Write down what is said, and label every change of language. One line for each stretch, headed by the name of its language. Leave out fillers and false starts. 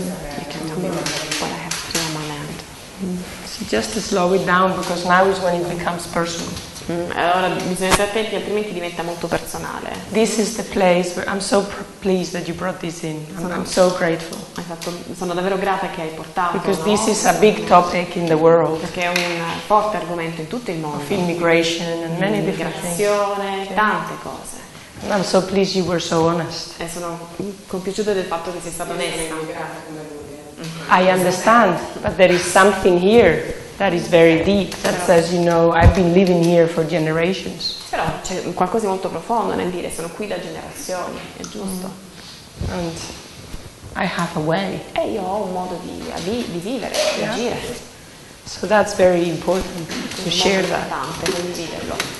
English: You can't tell me what I have to do on my land. So just to slow it down, because now is when it becomes personal.
Italian: Allora bisogna stare attenti, altrimenti diventa molto personale.
English: This is the place where I'm so pleased that you brought this in. I'm so grateful.
Italian: Sono davvero grata che hai portato.
English: Because
Italian: no?
English: This is a big topic in the world.
Italian: Perché è un forte argomento in tutto il mondo.
English: Of immigration and many different things.
Italian: Immigrazione, tante cose.
English: And I'm so pleased you were so honest.
Italian: E sono compiaciuta del fatto che sei stato onesta.
English: I understand, but there is something here that is very deep, that
Italian: però,
English: says, you know, I've been living here for generations.
Italian: Però c'è qualcosa di molto profondo nel dire, sono qui da generazioni, è giusto.
English: And I have a way.
Italian: E io ho un modo di vivere, di agire.
English: So that's very important to share that.
Italian: Molto importante condividerlo.